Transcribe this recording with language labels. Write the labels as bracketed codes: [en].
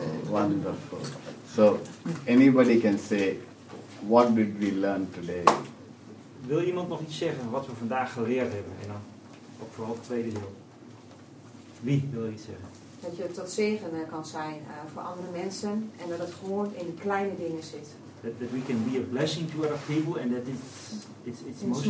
[en] Wonderful. So, anybody can say, what did we learn today? [nl] Wil iemand nog iets zeggen wat we vandaag geleerd hebben? En dan ook vooral het tweede deel. Wie wil iets zeggen? Dat je tot zegen kan zijn voor andere mensen en dat het gewoon in de kleine dingen zit. [en] That we can be a blessing to other people and that it's mostly